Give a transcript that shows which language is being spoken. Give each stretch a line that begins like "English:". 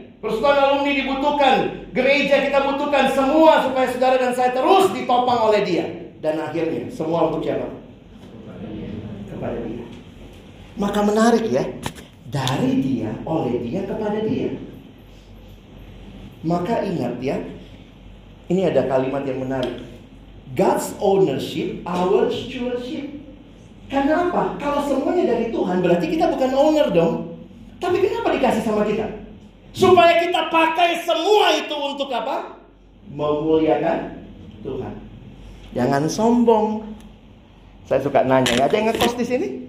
Indonesian: Persekutuan alumni dibutuhkan, gereja kita butuhkan, semua supaya saudara dan saya terus ditopang oleh dia. Dan akhirnya, semua untuk siapa? Kepada dia. Maka menarik ya, dari dia, oleh dia, kepada dia. Maka ingat ya, Ini ada kalimat yang menarik.
English: God's ownership, our stewardship.
Indonesian: Kenapa? Kalau semuanya dari Tuhan, berarti kita bukan owner dong. Tapi kenapa dikasih sama kita? Supaya kita pakai semua itu untuk apa? Memuliakan Tuhan. Jangan sombong. Saya suka nanya, ada yang ngekos di sini?